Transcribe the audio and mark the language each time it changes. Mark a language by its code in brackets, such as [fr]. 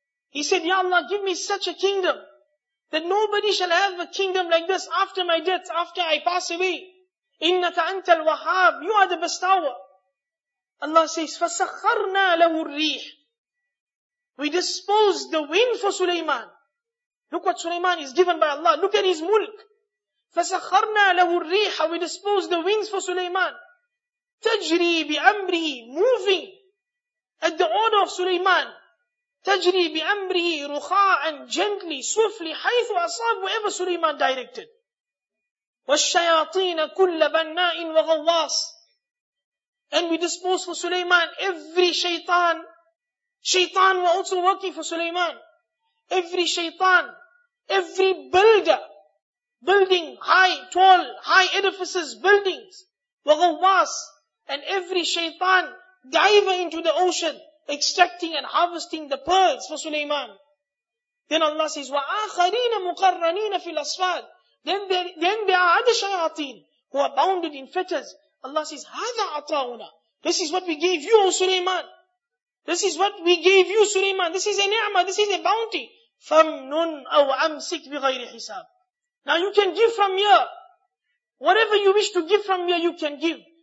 [en] He said, Ya Allah, give me such a kingdom that nobody shall have a kingdom like this after my death, after I pass away. [ar] Innaka anta al-wahhab. [en] You are the bestower. Allah says, [ar] فَسَخَّرْنَا لَهُ الْرِيحِ. [en] We disposed the wind for Sulaiman. Look what Sulaiman is given by Allah. Look at his mulk. [ar] فَسَخَّرْنَا لَهُ الْرِيحَ. [en] We disposed the winds for Sulaiman. [ar] تَجْرِي بِأَمْرِهِ. [en] Moving at the order of Sulaiman. [ar] تَجْرِي بِأَمْرِهِ رُخَاءً. [en] Gently, swiftly, [ar] حَيْثُ أَصَابُ. [en] Wherever Sulaiman directed. [ar] وَالشَّيَاطِينَ كُلَّ بَنَّاءٍ وَغَوَّاصٍ. [en] And we dispose for Sulaiman every shaitan. Shaitan were also working for Sulaiman. Every shaitan, every builder, building high, tall, high edifices, buildings, waghawas, and every shaitan, diver into the ocean, extracting and harvesting the pearls for Sulaiman. Then Allah says, [ar] وَآخَرِينَ مُقَرَّنِينَ فِي الْأَصْفَادِ. [en] Then there are other shayateen who are bounded in fetters. Allah says, [ar] هَذَا عَطَاؤُنَا. [en] This is what we gave you, O Sulaiman. This is what we gave you, Sulaiman. This is a ni'mah, this is a bounty. [ar] فَمْنُنْ أَوْ أَمْسِكْ بِغَيْرِ حِسَابٍ. [en] Now you can give from here. Whatever you wish to give from here, you can give.